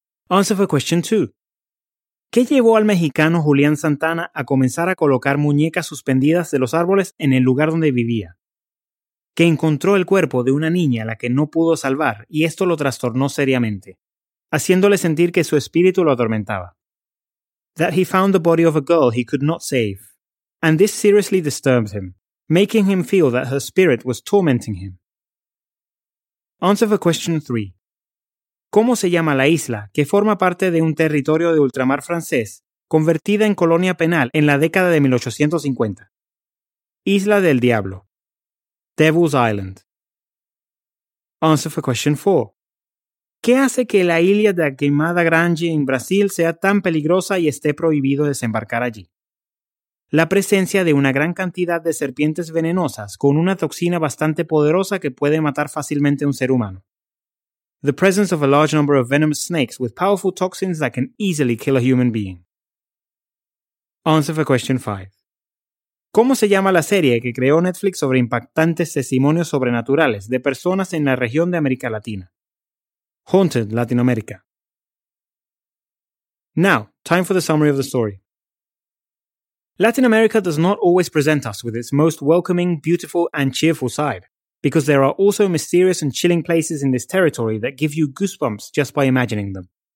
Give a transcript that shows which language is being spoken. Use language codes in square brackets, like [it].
[en] Answer for question 2. [es] ¿Qué llevó al mexicano Julián Santana a comenzar a colocar muñecas suspendidas de los árboles en el lugar donde vivía? Que encontró el cuerpo de una niña a la que no pudo salvar y esto lo trastornó seriamente, haciéndole sentir que su espíritu lo atormentaba. [en] That he found the body of a girl he could not save, and this seriously disturbed him, making him feel that her spirit was tormenting him. Answer for question 3. [es] ¿Cómo se llama la isla que forma parte de un territorio de ultramar francés convertida en colonia penal en la década de 1850? [en] Isla del Diablo. Devil's Island. Answer for question 4. [es] ¿Qué hace que la isla de Queimada Grande en Brasil sea tan peligrosa y esté prohibido desembarcar allí? La presencia de una gran cantidad de serpientes venenosas con una toxina bastante poderosa que puede matar fácilmente a un ser humano. [en] The presence of a large number of venomous snakes with powerful toxins that can easily kill a human being. Answer for question 5. [es] ¿Cómo se llama la serie que creó Netflix sobre impactantes testimonios sobrenaturales de personas en la región de América Latina? [en] Haunted Latin America. Now, time for the summary of the story. Latin America does not always present us with its most welcoming, beautiful, and cheerful side, because there are also mysterious and chilling places in this territory that give you goosebumps just by imagining them.